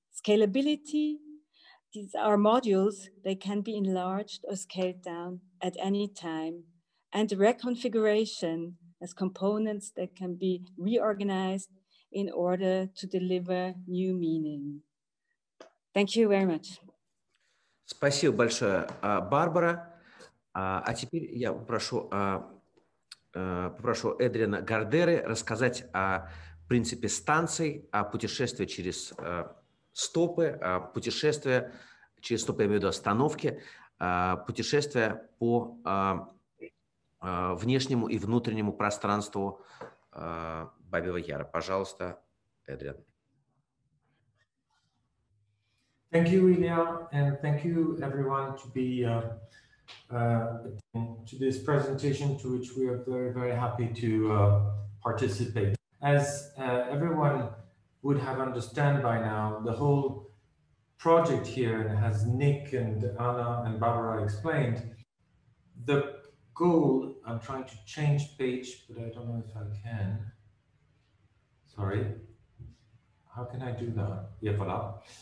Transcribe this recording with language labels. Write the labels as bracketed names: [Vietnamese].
[English] Scalability, these are modules that can be enlarged or scaled down at any time. And reconfiguration as components that can be reorganized in order to deliver new meaning. Thank you very much. [Russian] Спасибо большое, Барбара. А теперь я попрошу Эдриана Гардеры рассказать о принципе станций, о путешествии через стопы, о путешествии через стопы, я имею в виду остановки, путешествия по внешнему и внутреннему пространству Бабьего Яра. Пожалуйста, Эдриан. [English] Thank you, Илья, and thank you, everyone, to be to this presentation, to which we are very, very happy to participate. As everyone would have understand by now, the whole project here, and as Nick and Anna and Barbara explained, the goal, I'm trying to change page, but I don't know if I can. Sorry. How can I do that? Yeah, voila.